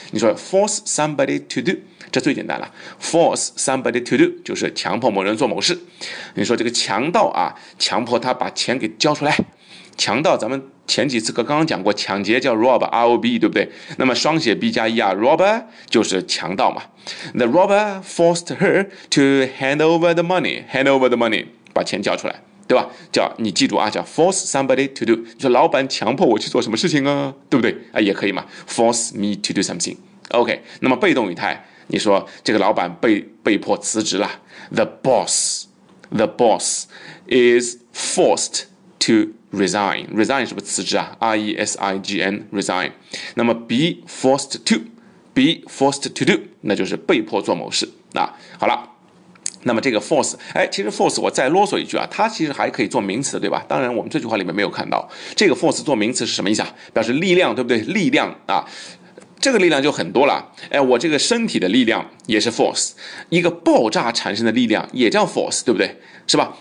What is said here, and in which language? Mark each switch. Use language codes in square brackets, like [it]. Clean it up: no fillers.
[zh] 你说 [en] force somebody to do， [zh] 这最简单了， force somebody to do 就是强迫某人做某事。你说这个强盗啊，强迫他把钱给交出来，强盗咱们前几次刚刚讲过，抢劫叫 rob， R-O-B， 对不对？那么双写 B 加 E 啊， robber 就是强盗嘛。 [en] The robber forced her to hand over the money， [zh] 把钱交出来，对吧？叫你记住啊，叫 [en] force somebody to do， [zh] 就是老板强迫我去做什么事情啊，对不对？也可以嘛， [en] force me to do something。 [zh] OK， 那么被动语态，你说这个老板 被迫辞职了， [en] the boss is forced to resign [zh] 是不是辞职啊？ R-E-S-I-G-N resign， 那么 [en] be forced to do [zh] 那就是被迫做某事啊。好了，那么这个 force， 其实 force 我再啰嗦一句啊，它其实还可以做名词，对吧？当然我们这句话里面没有看到这个 force 做名词是什么意思啊，表示力量，对不对？力量啊，这个力量就很多了，我这个身体的力量也是 force， 一个爆炸产生的力量也叫 force， 对不对？是吧？